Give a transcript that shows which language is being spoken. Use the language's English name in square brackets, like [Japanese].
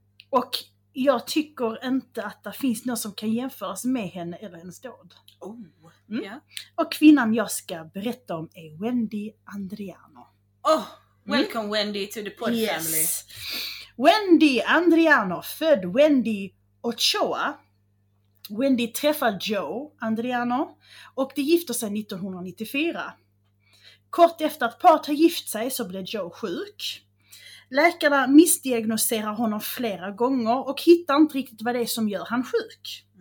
[Swedish] Och jag tycker inte att det finns något som kan jämföras med henne eller hennes död. Oh, mm. Yeah. Och kvinnan jag ska berätta om är Wendy Andriano. [English] Oh, welcome Wendy to the pod family. [Swedish] Wendy Andriano, född Wendy Ochoa. Wendy träffar Joe Andriano och de gifter sig 1994. Kort efter att paret har gift sig så blev Joe sjuk. Läkarna misdiagnoserar honom flera gånger och hittar inte riktigt vad det är som gör han sjuk.